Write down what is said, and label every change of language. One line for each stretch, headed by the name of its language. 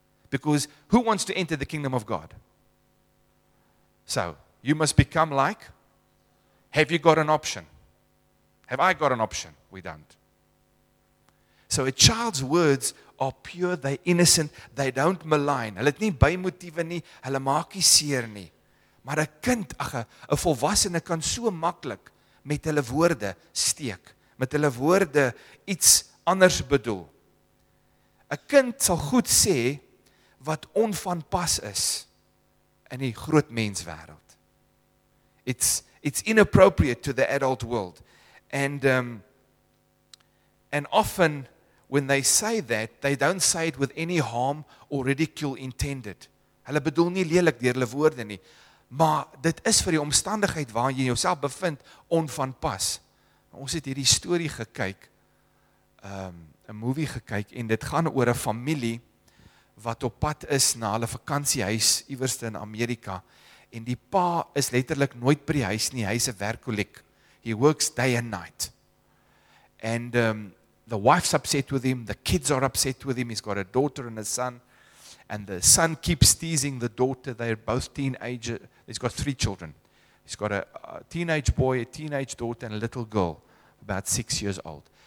English: Because who wants to enter the kingdom of God? So, you must become like, have you got an option? Have I got an option? We don't. So a child's words are pure, they're innocent, they don't malign.
Afrikaans: Hulle het nie bymotiewe nie, hulle maak nie seer nie. Maar 'n kind, ag, 'n volwassene kan so maklik met hulle woorde steek. Met hulle woorde iets anders bedoel. 'N kind sal goed sê wat onvanpas is in die groot menswêreld.
English: It's inappropriate to the adult world. And often when they say that, they don't say it with any harm or ridicule intended.
Afrikaans: Hulle bedoel nie lelik deur hulle woorde nie, maar dit is vir die omstandigheid waarin jy jouself bevind onvanpas. Ons het hierdie storie gekyk, 'n movie gekyk, en dit gaan oor 'n familie wat op pad is na hulle vakansiehuis iewers in Amerika, en die pa is letterlik nooit by die huis nie, hy's 'n werkoliek.
English: He works day and night. And the wife's upset with him, the kids are upset with him, he's got a daughter and a son, and the son keeps teasing the daughter, they're both teenagers, he's got three children. He's got a teenage boy, a teenage daughter, and a little girl, about 6 years old.